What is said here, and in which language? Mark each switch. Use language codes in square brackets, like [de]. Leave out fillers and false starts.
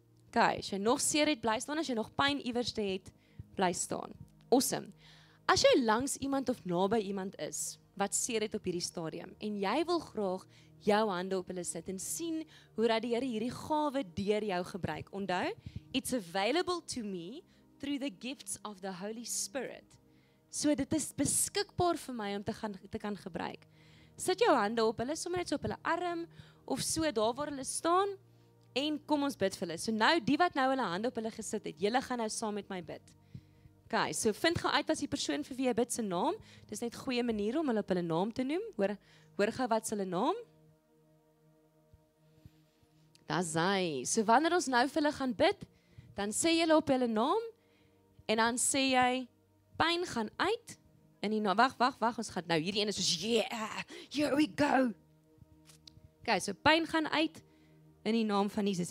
[af] Okay, as jy nog seer het, bly staan, as jy nog pyn iewers het, bly staan. Awesome. As jy langs iemand of naby iemand is, wat seer het op hierdie stadium, en jy wil graag jou hande op hulle sit en sien hoe dat die Here hierdie gawe deur jou gebruik. [en] Onthou, it's available to me through the gifts of the Holy Spirit. [af] So dit is beskikbaar vir my om te kan gebruik. Sit jou hande op hulle, sommer net so op hulle arm of so daar waar hulle staan en kom ons bid vir hulle. So nou die wat nou hulle hande op hulle gesit het, julle gaan nou saam met my bid. Okay, so vind gou uit wat die persoon vir wie jy bid se naam. Dis net 'n goeie manier om hulle op hulle naam te noem. Hoor gou wat hulle naam. Dazai. So wanneer ons nou vir hulle gaan bid, dan sê jy op hulle naam en dan sê jy pyn gaan uit in die naam. Wag, ons gaan nou hierdie een is soos [en] yeah, here we go. [af] Okay, so pyn gaan uit in die naam van Jesus.